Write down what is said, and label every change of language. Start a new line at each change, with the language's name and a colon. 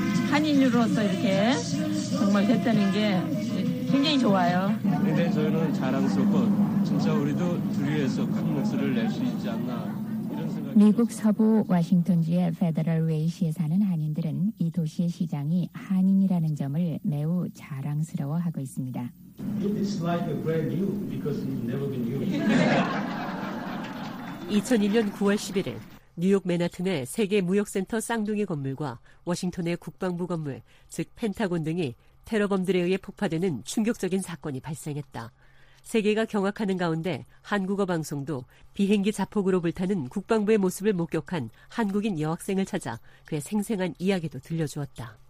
Korean: 한인으로서 이렇게 정말 됐다는 게 굉장히 좋아요. 굉장히 저희는 자랑스럽고 진짜 우리도 둘이에서 큰 목소리를 낼 수 있지 않나. 미국 서부 워싱턴주의 페더럴 웨이시에 사는 한인들은 이 도시의 시장이 한인이라는 점을 매우 자랑스러워하고 있습니다.
English: It's like a brand new because it's never been used.
Korean: 2001년 9월 11일 뉴욕 맨하튼의 세계무역센터 쌍둥이 건물과 워싱턴의 국방부 건물, 즉 펜타곤 등이 테러범들에 의해 폭파되는 충격적인 사건이 발생했다. 세계가 경악하는 가운데 한국어 방송도 비행기 자폭으로 불타는 국방부의 모습을 목격한 한국인 여학생을 찾아 그의 생생한 이야기도 들려주었다.